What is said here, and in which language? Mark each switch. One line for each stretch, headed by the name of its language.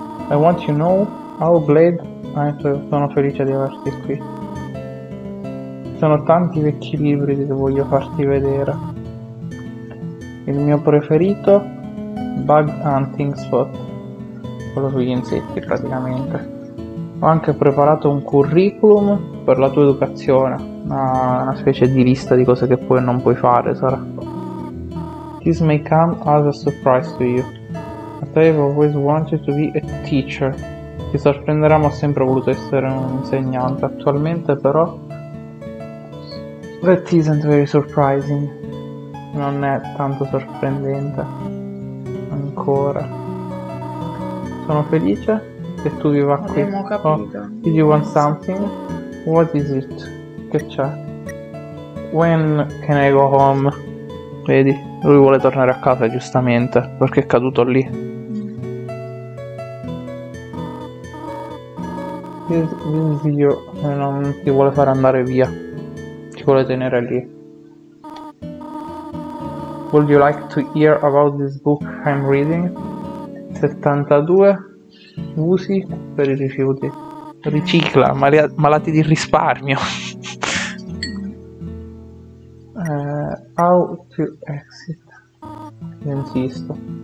English: I want you know how glad I am.
Italian: Sono felice di averti qui. Sono tanti vecchi libri che voglio farti vedere. Il mio preferito, Bug Hunting Spot. Quello sugli insetti, praticamente. Ho anche preparato un curriculum per la tua educazione, una specie di lista di cose che puoi e non puoi fare, sarà.
English: This may come as a surprise to you. But I've always wanted to be a teacher.
Italian: Ti sorprenderà, ma ho sempre voluto essere un insegnante. Attualmente, però,
English: that isn't very surprising.
Italian: Non è tanto sorprendente. Ancora. Sono felice che tu viva abbiamo qui. Abbiamo capito. Oh,
English: did you want something? What is it?
Italian: Che c'è?
English: When can I go home?
Italian: Vedi, lui vuole tornare a casa, giustamente, perché è caduto lì. Zio non ti vuole far andare via, ti vuole tenere lì.
English: Would you like to hear about this book I'm reading?
Italian: 72 usi per i rifiuti. Ricicla, malati di risparmio.
English: How to exit? Insisto.